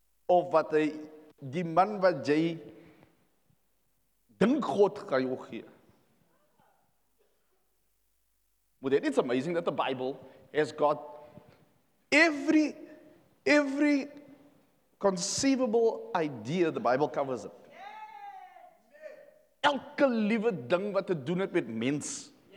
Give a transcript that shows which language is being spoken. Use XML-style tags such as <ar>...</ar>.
<af>Of wat hy, die man wat jy dink God kan jou gee.</af> <en>It's amazing that the Bible has got every conceivable idea the Bible covers it.</en> <af>Elke liewe ding wat te doen het met mens.</af>